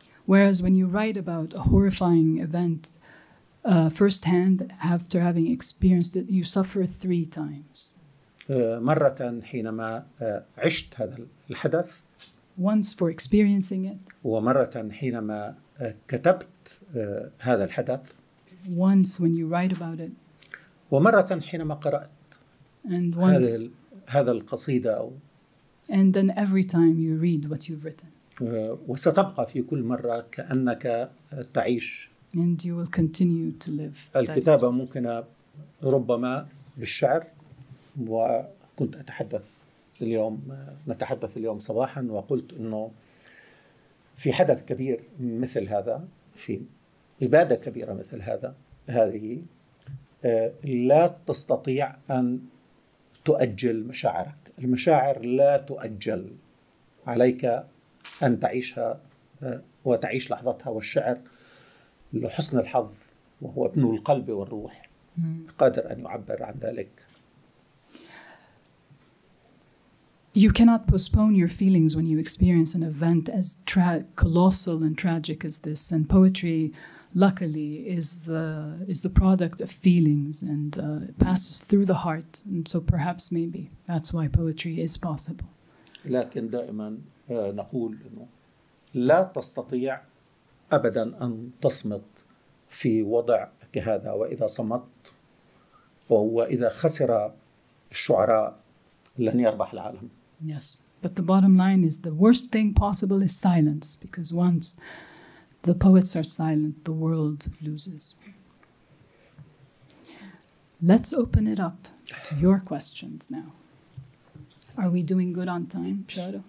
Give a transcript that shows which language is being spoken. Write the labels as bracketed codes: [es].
[en] Whereas when you write about a horrifying event firsthand after having experienced it, you suffer three times. [ar] مرة حينما عشت هذا الحدث. [en] Once for experiencing it. [ar] ومرة حينما كتبت هذا الحدث. [en] Once when you write about it. [ar] ومرة حينما قرأت [en] and once, [ar] هذا القصيدة أو [en] and then every time you read what you've written. [ar] وستبقى في كل مرة كأنك تعيش. [en] And you will continue to live. [ar] الكتابة ممكنة ربما بالشعر وكنت أتحدث اليوم نتحدث اليوم صباحا وقلت إنه في حدث كبير مثل هذا، في إبادة كبيرة مثل هذا، هذه لا تستطيع أن تؤجل مشاعرك. المشاعر لا تؤجل، عليك أن تعيشها وتعيش لحظتها. والشعر لحسن الحظ وهو ابن القلب والروح قادر أن يعبر عن ذلك. [en] You cannot postpone your feelings when you experience an event as colossal and tragic as this. And poetry, luckily, is the product of feelings and passes through the heart. And so perhaps maybe that's why poetry is possible. [ar] لكن دائما نقول إنه لا تستطيع أبدا أن تصمت في وضع كهذا. وإذا صمت وإذا خسر الشعراء لن يربح العالم. [en] Yes, but the bottom line is the worst thing possible is silence, because once the poets are silent, the world loses. Let's open it up to your questions now. Are we doing good on time, Piero?